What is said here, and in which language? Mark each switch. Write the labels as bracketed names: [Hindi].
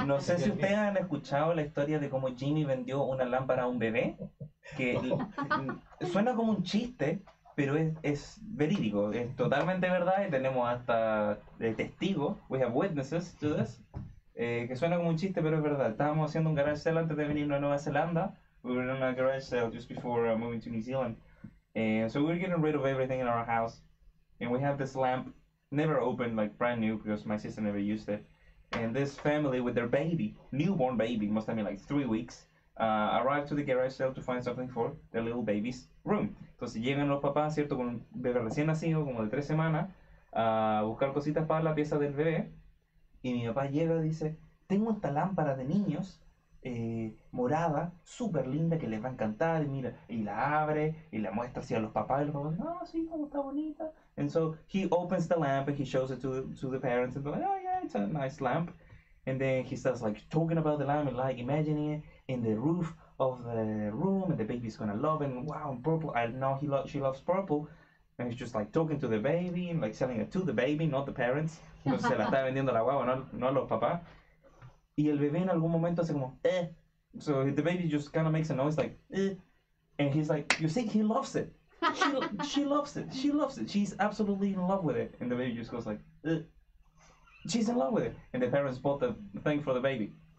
[Spanish] No sé si ustedes han escuchado la historia de cómo Jimmy vendió una lámpara a un bebé, que suena como un chiste, pero es verídico, es totalmente verdad y tenemos hasta testigos, [English] we have witnesses to this. [Spanish] Que suena como un chiste, pero es verdad. Estábamos haciendo un garage sale antes de venir a Nueva Zelanda. [English] We were in a garage sale just before moving to New Zealand. So we were getting rid of everything in our house. And we have this lamp, never opened, like brand new, because my sister never used it. And this family with their baby, newborn baby, must have been like 3 weeks, arrived to the garage sale to find something for their little baby's room. [Spanish] Entonces llegan los papás, ¿cierto?, con un bebé recién nacido, como de 3 semanas, a buscar cositas para la pieza del bebé. Y mi papá llega y dice, tengo esta lámpara de niños, morada, súper linda, que les va a encantar, y mira, y la abre, y la muestra así a los papás, y los papás dicen, oh, sí, cómo está bonita. [English] And so, he opens the lamp, and he shows it to the parents, and they're like, oh, yeah, it's a nice lamp. And then he starts, like, talking about the lamp, and, like, imagining it in the roof of the room, and the baby's gonna love it, and wow, purple, I know she loves purple. And he's just like talking to the baby, and like selling it to the baby, not the parents. [Spanish] Entonces se la está vendiendo la guagua, no a los papás. Y el bebé en algún momento hace como, eh. [English] So the baby just kind of makes a noise like, eh. And he's like, you see, he loves it. She loves it. She loves it. She's absolutely in love with it. And the baby just goes like, eh. She's in love with it. And the parents bought the thing for the baby.